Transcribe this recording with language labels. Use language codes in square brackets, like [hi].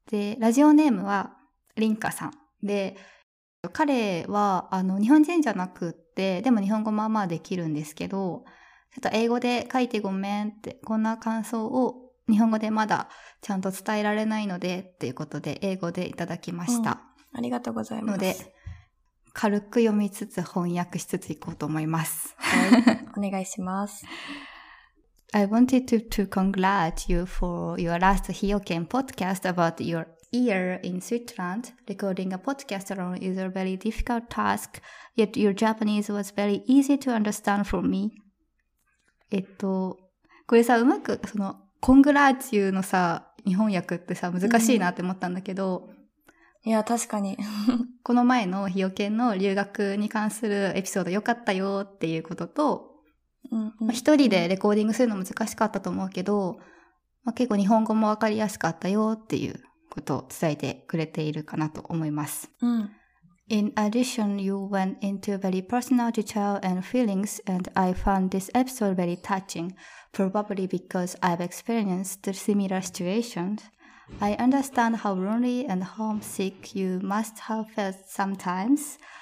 [ja] で、ラジオネームはリンカさん。で、彼は日本人じゃなくって、でも日本語まあまあできるんですけど、ちょっと英語で書いてごめんって、こんな感想を日本語でまだちゃんと伝えられないのでっていうことで英語でいただきました。うん、ありがとうございます。ので、軽く読みつつ翻訳しつついこうと思います。はい、お願いします。 [en] I wanted to congratulate you for your last Hyoken podcast about your year in Switzerland. Recording a podcast alone is a very difficult task, yet your Japanese was very easy to understand for me. [ja] これさ、うまく、その、 [en] congratulate you [ja] のさ、日本訳ってさ、難しいなって思ったんだけど。うん、いや、確かに。この前の Hyoken の留学に関するエピソード良かったよっていうことと、うんうんうんうん、一人でレコーディングするの難しかったと思うけど、まあ、結構日本語もわかりやすかったよっていうことを伝えてくれているかなと思います。うん、 [en] In addition, you went into very personal detail and feelings, and I found this episode very touching, probably because I've experienced the similar situations. I understand how lonely and homesick you must have felt sometimes.